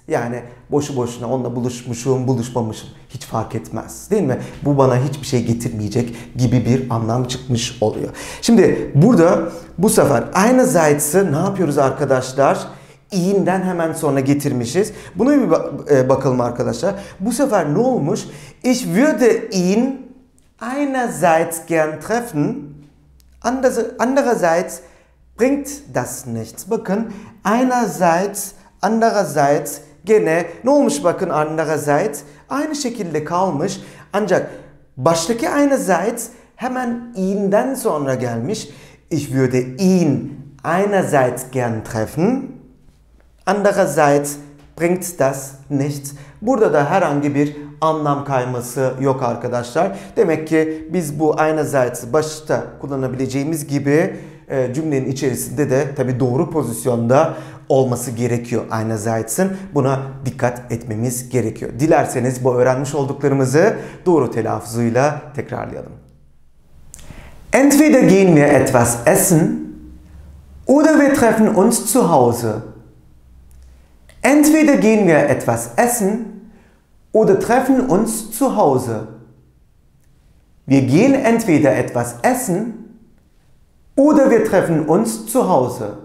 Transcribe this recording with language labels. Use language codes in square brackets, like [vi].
[tr] Yani boşu boşuna onunla buluşmuşum, buluşmamışım hiç fark etmez. Değil mi? Bu bana hiçbir şey getirmeyecek gibi bir anlam çıkmış oluyor. Şimdi burada bu sefer eine Seite'ı ne yapıyoruz arkadaşlar? İ'nden hemen sonra getirmişiz. Buna bir bakalım arkadaşlar. Bu sefer ne olmuş? [de] Ich würde ihn einerseits gern treffen, andererseits bringt das nichts. [tr] Bakın, einerseits, andererseits, gene ne olmuş bakın andererseits? Aynı şekilde kalmış. Ancak baştaki einerseits hemen ihn'den sonra gelmiş. [de] Ich würde ihn einerseits gern treffen. Andererseits bringt das nichts. [tr] Burada da herhangi bir anlam kayması yok arkadaşlar. Demek ki biz bu einerseits'i başta kullanabileceğimiz gibi cümlenin içerisinde de tabii doğru pozisyonda olması gerekiyor einerseits'in. Buna dikkat etmemiz gerekiyor. Dilerseniz bu öğrenmiş olduklarımızı doğru telaffuzuyla tekrarlayalım. [de] Entweder gehen wir etwas essen oder wir treffen uns zu Hause. Entweder gehen wir etwas essen oder treffen uns zu Hause. Wir gehen entweder etwas essen oder wir treffen uns zu Hause.